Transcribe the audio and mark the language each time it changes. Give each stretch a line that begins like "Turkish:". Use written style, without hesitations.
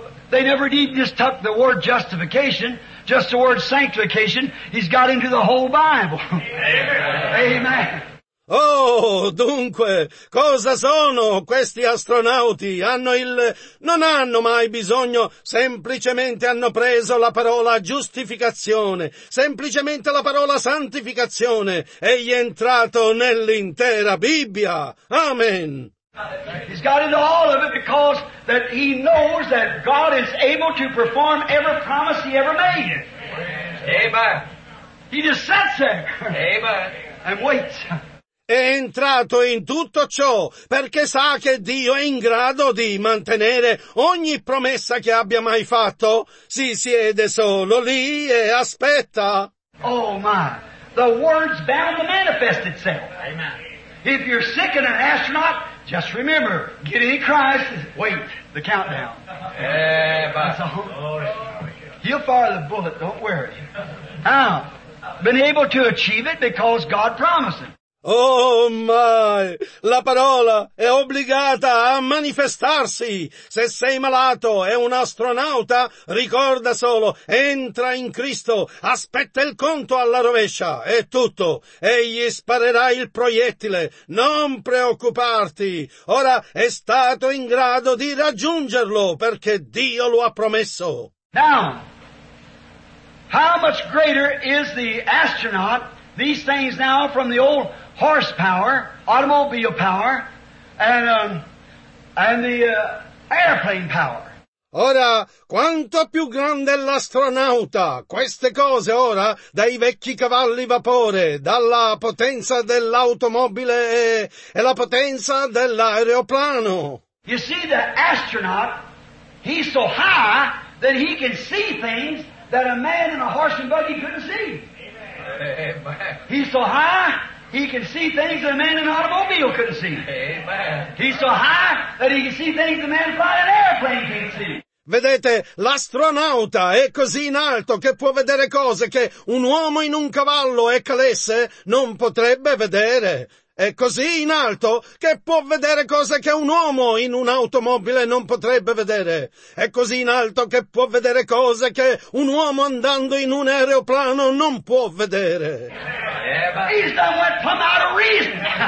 English: They never even just took the word justification, just the word sanctification. He's got into the whole Bible. Amen. Amen.
Italian: Oh, dunque, cosa sono questi astronauti? Non hanno mai bisogno, semplicemente hanno preso la parola giustificazione, semplicemente la parola santificazione, egli è entrato nell'intera Bibbia. Amen.
English: He's got into all of it because that he knows that God is able to perform every promise he ever made. Amen. He just sits there. Amen. And waits.
Italian: È entrato in tutto ciò perché sa che Dio è in grado di mantenere ogni promessa che abbia mai fatto. Si siede solo lì e aspetta.
English: Oh my, the word's bound to manifest itself. Amen. If you're sick and an astronaut, just remember, get in Christ, wait, the countdown. That's all. He'll fire the bullet, don't worry. Now, been able to achieve it because God promised him. Oh my!
Italian: La parola è obbligata a manifestarsi. Se sei malato e un astronauta, ricorda solo, entra in Cristo, aspetta il conto alla rovescia, è tutto. Egli sparerà il proiettile, non preoccuparti. Ora è stato in grado di raggiungerlo, perché Dio lo ha promesso.
English: Now, how much greater is the astronaut, these things now from the old horsepower, automobile power, and the airplane power.
Italian: Ora, quanto più grande è l'astronauta, queste cose ora, dai vecchi cavalli vapore, dalla potenza dell'automobile e la potenza dell'aeroplano.
English: You see, the astronaut, he's so high that he can see things that a man in a horse and buggy couldn't see. Amen. He's so high, he can see things that a man in an automobile couldn't see. Amen. He's so high that he can see things a man flying an airplane can't see.
Italian: Vedete, l'astronauta è così in alto che può vedere cose che un uomo in un cavallo ecclesse non potrebbe vedere. È così in alto che può vedere cose che un uomo in un'automobile non potrebbe vedere. È così in alto che può vedere cose che un uomo andando in un aeroplano non può vedere.
English: He's done what come out of reason.